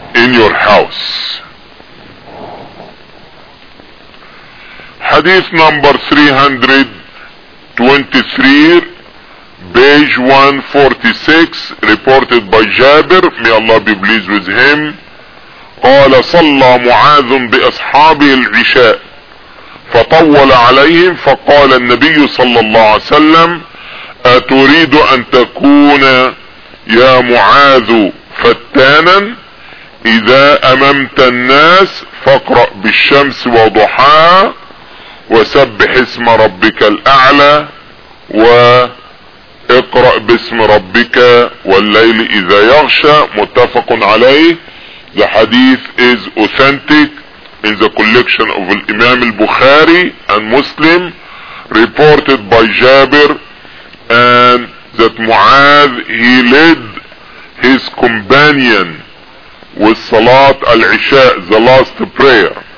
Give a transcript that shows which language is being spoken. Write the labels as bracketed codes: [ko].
[en] In your house. Hadith number 323, page 146, reported by Jabir, may Allah be pleased with him. [ar] قال صلى معاذ بأصحابه العشاء فطول عليهم فقال النبي صلى الله عليه وسلم أتريد أن تكون يا معاذ فتانا إذا أممت الناس فاقرأ بالشمس وضحاها وسبح اسم ربك الأعلى واقرأ باسم ربك والليل إذا يغشى. متفق عليه. [en] The hadith is authentic in the collection of Imam al-Bukhari and Muslim, reported by Jabir, and that Mu'adh, he led his companion with Salat al-Isha, the last prayer.